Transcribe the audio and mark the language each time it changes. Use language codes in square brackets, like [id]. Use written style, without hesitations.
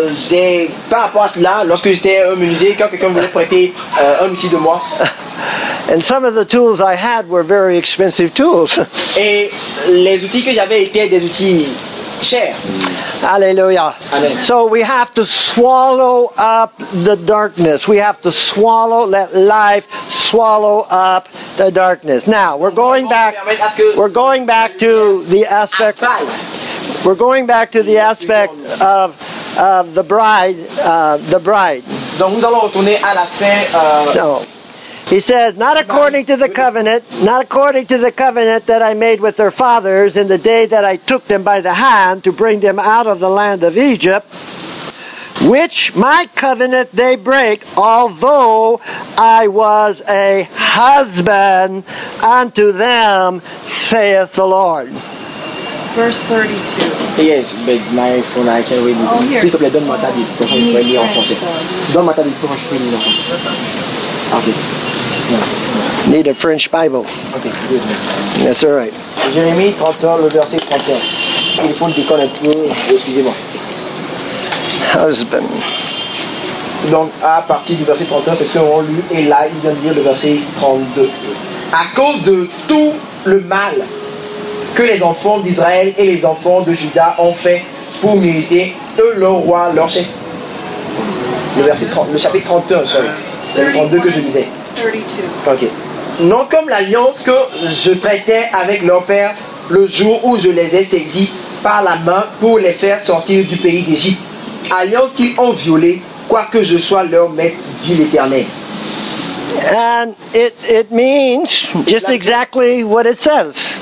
[fr] Et par rapport à cela, lorsque j'étais un menuisier, quand quelqu'un voulait prêter un outil de moi. [en] And some of the tools I had were very expensive tools. [fr] Et les outils que j'avais étaient des outils chers. Alléluia. Amen. [en] So we have to swallow up the darkness. We have to swallow, let life swallow up the darkness. Now, we're going back to the aspect. We're going back to the aspect of the bride. [fr] Donc nous allons retourner à l'aspect. [en] He says, not according to the covenant, not according to the covenant that I made with their fathers in the day that I took them by the hand to bring them out of the land of Egypt, which my covenant they break, although I was a husband unto them, saith the Lord. Verse 32. Yes, but my phone, I can't read. [fr] S'il te plaît, donne-moi ta Bible pour que je puisse lire en français. Donne-moi ta Bible pour que je puisse lire en français. [en] Need a French Bible. Okay. That's all right. [fr] Jérémie 31, le verset 31. Il faut que tu connais un peu. Excusez-moi. [en] Husband. [fr] Donc, à partir du verset 31, c'est ce qu'on lit. Et là, il vient de lire le verset 32. À cause de tout le mal que les enfants d'Israël et les enfants de Juda ont fait pour mériter eux leur roi, leur chef. Le chapitre 31, sorry. C'est le 32 que je disais. 32. Ok. Non comme l'alliance que je traitais avec leur père le jour où je les ai saisis par la main pour les faire sortir du pays d'Égypte. Alliance qu'ils ont violée, quoique je sois leur maître, dit l'Éternel. [en] And it means just exactly what it says.